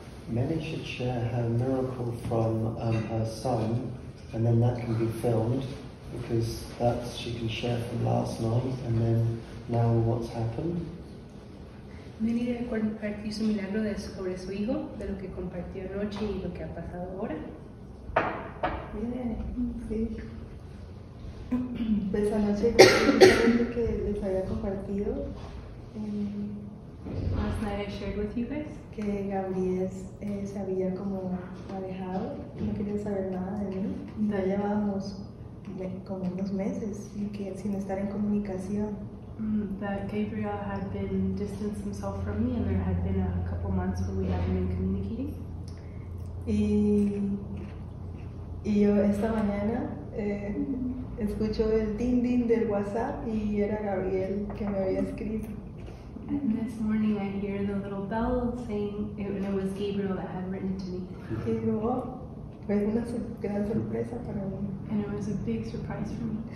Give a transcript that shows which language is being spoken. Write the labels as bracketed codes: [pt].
[en] Mary should share her miracle from her son, and then that can be filmed because that she can share from last night and then now what's happened. [es] Mary debe compartir su milagro sobre su hijo, de lo que compartió anoche y lo que ha pasado ahora. Pues anoche compartí que les había compartido. [en] Last night I shared with you guys [es] que Gabriel se había como alejado, no quería saber nada de mí. Ya llevábamos como unos meses y que sin estar en comunicación. [en] That Gabriel had been distanced himself from me and there had been a couple months where we hadn't been communicating. [es] Y yo esta mañana escucho el din din del WhatsApp y era Gabriel que me había escrito. [en] And this morning I hear the little bell saying it was Gabriel that had written to me. And it was a big surprise for me.